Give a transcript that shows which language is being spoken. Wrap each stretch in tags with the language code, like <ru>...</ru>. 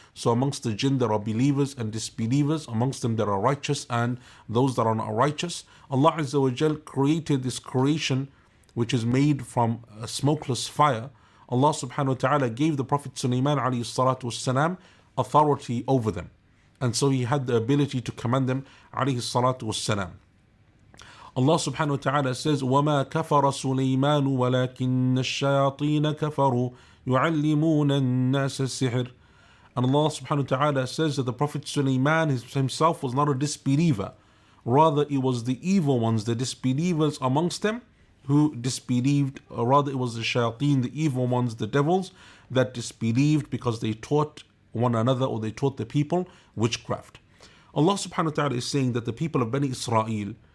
<en>So amongst the jinn there are believers and disbelievers, amongst them there are righteous and those that are not righteous. Allah azza wa jal created this creation which is made from a smokeless fire. Allah subhanahu wa ta'ala gave the Prophet Sulaiman alayhi salatu wasalam authority over them, and so he had the ability to command them alayhi salatu wasalam. Allah subhanahu wa ta'ala says,</en> <ar>وَمَا كَفَرَ سُلَيْمَانُ وَلَكِنَّ الشَّيَاطِينَ كَفَرُوا يُعَلِّمُونَ النَّاسَ السِّحْرِ.</ar> <en>And Allah subhanahu wa ta'ala says that the Prophet Sulaiman himself was not a disbeliever. Rather, it was the evil ones, the disbelievers amongst them, who disbelieved. Rather, it was the shayateen, the evil ones, the devils, that disbelieved because they taught one another, or they taught the people, witchcraft. Allah subhanahu wa ta'ala is saying that the people of Bani Israel,</en>